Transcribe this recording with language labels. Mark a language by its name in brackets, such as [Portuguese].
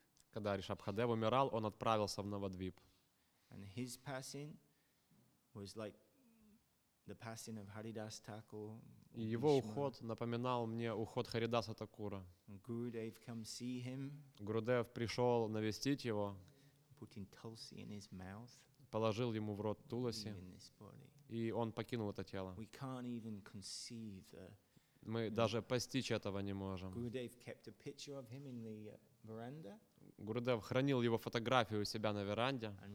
[Russian] Когда Ришабхадев умирал, он отправился в Навадвип. [English] And his passing was like the passing of Haridas Thakur. [Russian] И его уход напоминал мне уход Харидаса Такура. [English] Gurudev came to see him. [Russian] Гурудев пришел навестить его. [English] Putting tulsi in his mouth. [Russian] Положил ему в рот туласи. [English] In his body. [Russian] И он покинул это тело. [English] We can't even conceive. [Russian] Мы даже постичь этого не можем. [English] Gurudev kept a picture of him in the veranda. [Russian] Гурудев хранил его фотографию у себя на веранде,